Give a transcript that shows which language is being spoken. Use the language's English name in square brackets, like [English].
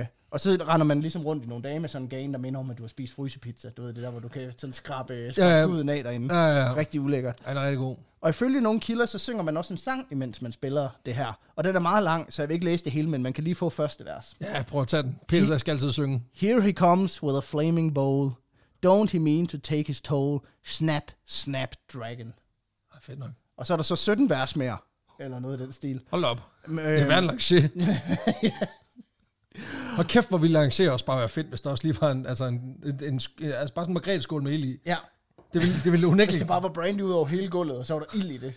[Danish] Og så render man ligesom rundt i nogle dage med sådan en gane, der minder om, at du har spist frysepizza. Du ved det der, hvor du kan sådan skrabe huden af derinde. Ja, ja, ja. Rigtig ulækkert. Ja, rigtig god. Og ifølge nogle kilder, så synger man også en sang, imens man spiller det her. Og den er meget lang, så jeg vil ikke læse det hele, men man kan lige få første vers. Ja, prøv at tage den. Peter skal altid synge. [English] Here he comes with a flaming bowl. Don't he mean to take his toll? Snap, snap, dragon. [Danish] Ja, fedt nok. Og så er der så 17 vers mere, eller noget i den stil. Hold op. Det er vandlagt shit. Ja. Og kæft, hvor ville arrangere også bare være fedt, hvis der også lige var en bare sådan en margretskål med ild i. Ja. Det ville unægteligt. Hvis det bare var brandy ud over hele gulvet, og så var der ild i det.